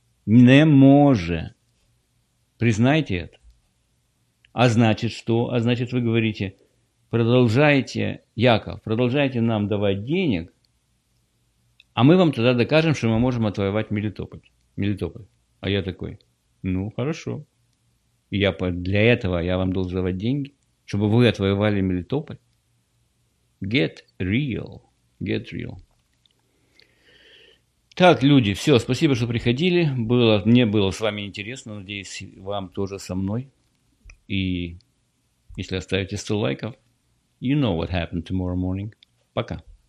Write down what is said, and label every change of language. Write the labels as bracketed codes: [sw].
[uk] Не може. [ru] Признайте это. [uk] А значить що? А значить ви говорите, продовжайте, Яков, продовжайте нам давати денег, а ми вам тоді докажемо, що ми можемо отвоювати Мелітополь. А я такий, ну, хорошо. [ru] Я для этого я вам должен давать деньги, чтобы вы отвоевали Мелитополь. [en] Get real. [ru] Так, люди, все, спасибо, что приходили. Мне было с вами интересно, надеюсь, вам тоже со мной. И если оставите 100 лайков, [en] you know what happened tomorrow morning. [ru] Пока.